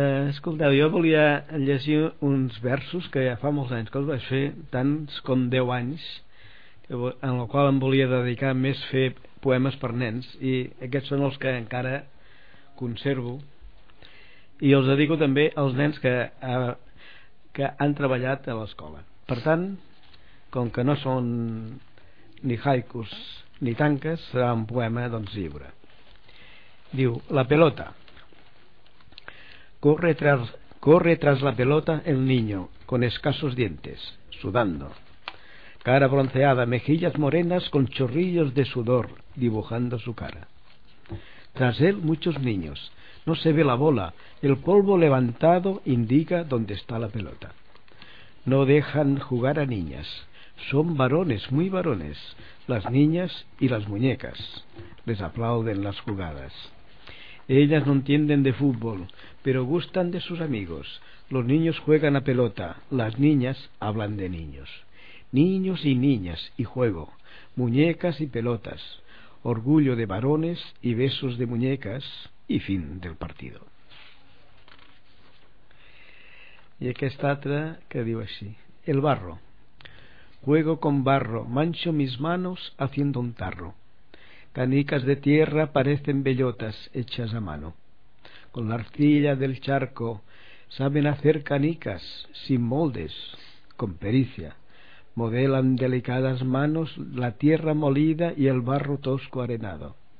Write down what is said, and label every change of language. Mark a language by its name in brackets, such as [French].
[Catalan] Escolteu, jo volia llegir uns versos que ja fa molts anys que els vaig fer, tants com 10 anys, en el qual em volia dedicar més a fer poemes per nens, i aquests són els que encara conservo, i els dedico també als nens que han treballat a l'escola. Per tant, com que no són ni haikus ni tanques, serà un poema doncs lliure. Diu: la pelota. [Spanish] Corre tras la pelota el niño con escasos dientes, sudando. Cara bronceada, mejillas morenas con chorrillos de sudor dibujando su cara. Tras él muchos niños. No se ve la bola. El polvo levantado indica dónde está la pelota. No dejan jugar a niñas. Son varones, muy varones, las niñas y las muñecas. Les aplauden las jugadas. Ellas no entienden de fútbol, pero gustan de sus amigos. Los niños juegan a pelota. Las niñas hablan de niños. Niños y niñas y juego, muñecas y pelotas, orgullo de varones y besos de muñecas y fin del partido. [Catalan] Y aquesta altra que diu així: el barro. [Spanish] Juego con barro, mancho mis manos haciendo un tarro. Canicas de tierra parecen bellotas hechas a mano. Con la arcilla del charco saben hacer canicas sin moldes, con pericia. Modelan delicadas manos la tierra molida y el barro tosco arenado.